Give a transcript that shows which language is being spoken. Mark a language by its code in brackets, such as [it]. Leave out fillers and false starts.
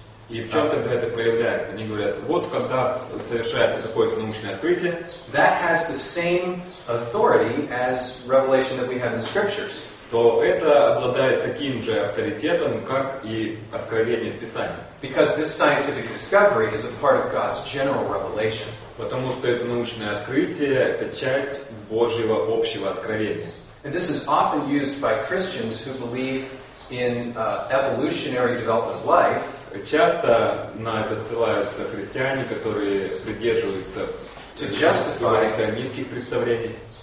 [ru] и в чем тогда это проявляется? Они говорят, вот когда совершается какое-то научное открытие, [en] that has the same authority as revelation that we have in the scriptures. [ru] То это обладает таким же авторитетом, как и откровение в Писании. [en] Because this scientific discovery is a part of God's general revelation. [ru] Потому что это научное открытие — это часть Божьего общего откровения. [en] And this is often used by Christians who believe in evolutionary development of life. [ru] Часто на это ссылаются христиане, которые придерживаются эволюционистских представлений.